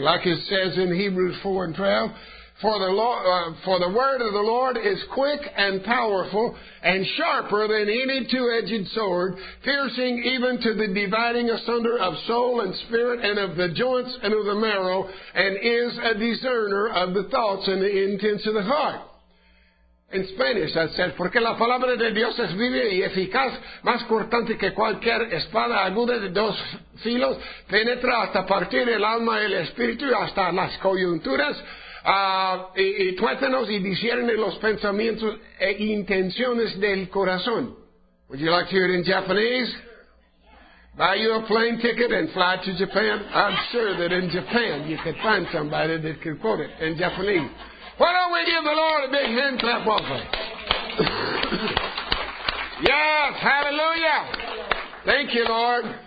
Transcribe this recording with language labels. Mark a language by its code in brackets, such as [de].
[en] Like it says in Hebrews 4:12, for the word of the Lord is quick and powerful and sharper than any two-edged sword, piercing even to the dividing asunder of soul and spirit and of the joints and of the marrow, and is a discerner of the thoughts and the intents of the heart. In Spanish, that says, [es] porque la palabra de Dios es viva y eficaz, más cortante que cualquier espada aguda de dos filos, penetra hasta partir el alma y el espíritu, hasta las coyunturas, y tuétanos y discierne los pensamientos e intenciones del corazón. [en] Would you like to hear it in Japanese? Buy you a plane ticket and fly to Japan? I'm sure that in Japan you could find somebody that could quote it in Japanese. Why don't we give the Lord a big hand clap offering? Yes, hallelujah. Thank you, Lord.